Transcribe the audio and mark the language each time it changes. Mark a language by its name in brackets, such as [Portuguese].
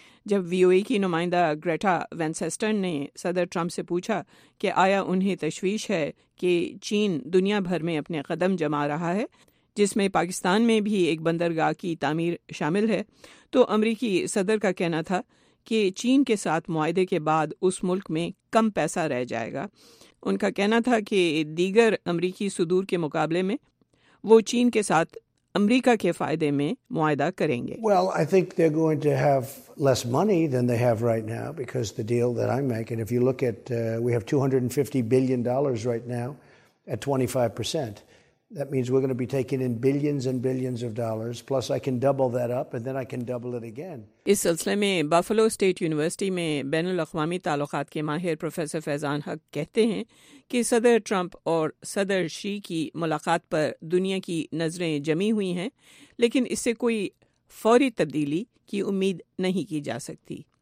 [Urdu] جب وی او اے کی نمائندہ گریٹا وین سسٹن نے صدر ٹرمپ سے پوچھا کہ آیا انہیں تشویش ہے کہ چین دنیا بھر میں اپنے قدم جما رہا ہے، جس میں پاکستان میں بھی ایک بندرگاہ کی تعمیر شامل ہے، تو امریکی صدر کا کہنا تھا کہ چین کے ساتھ معاہدے کے بعد اس ملک میں کم پیسہ رہ جائے گا۔ ان کا کہنا تھا کہ دیگر امریکی صدور کے مقابلے میں وہ چین کے ساتھ امریکہ کے فائدے میں معاہدہ کریں گے۔ [English] Well, I think they're going to have less money than they have right now because the deal that I'm making, if you look at we have $250 billion right now at 25%. That means we're going to be taking in billions and billions of dollars. Plus, I can double that up, and then I can double it again. [Urdu] اس سلسلے میں Buffalo state university میں بین الاقوامی تعلقات کے ماہر professor فیضان حق کہتے ہیں کہ صدر ٹرمپ اور صدر شی کی ملاقات پر دنیا کی نظریں جمی ہوئی ہیں، لیکن اس سے کوئی فوری تبدیلی کی امید نہیں کی جا سکتی.